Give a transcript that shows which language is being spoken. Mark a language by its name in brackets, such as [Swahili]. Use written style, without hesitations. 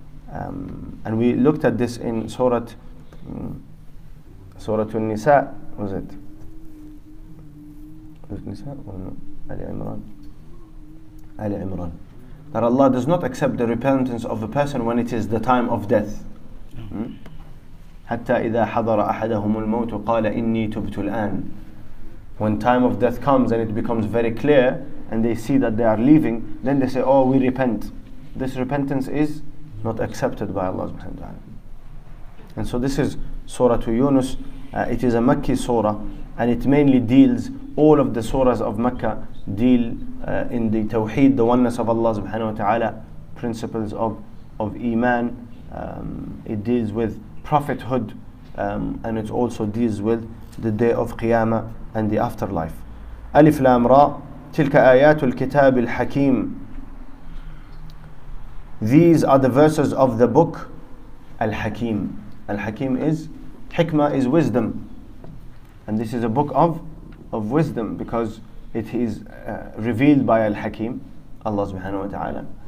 [English] And we looked at this in Surah An-Nisa, was it? An-Nisa or no? Ali Imran. That Allah does not accept the repentance of a person when it is the time of death. [Arabic] حتى إذا حضر أحدهم الموت قال إني تبت الآن. [English] When time of death comes and it becomes very clear and they see that they are leaving, then they say, oh, we repent. This repentance is not accepted by Allah subhanahu wa ta'ala. And so this is Surah to Yunus. It is a Makki Surah, and it mainly deals, all of the Surahs of Mecca deal in the Tawheed, the oneness of Allah subhanahu wa ta'ala, principles of Iman. It deals with prophethood, and it also deals with the day of Qiyamah and the afterlife. [Arabic] Alif Lam Ra, تلك آيات الكتاب الحكيم. [English] These are the verses of the book Al-Hakim. Al-Hakim is, Hikmah is wisdom. And this is a book of wisdom, because it is revealed by Al-Hakim, Allah subhanahu wa ta'ala.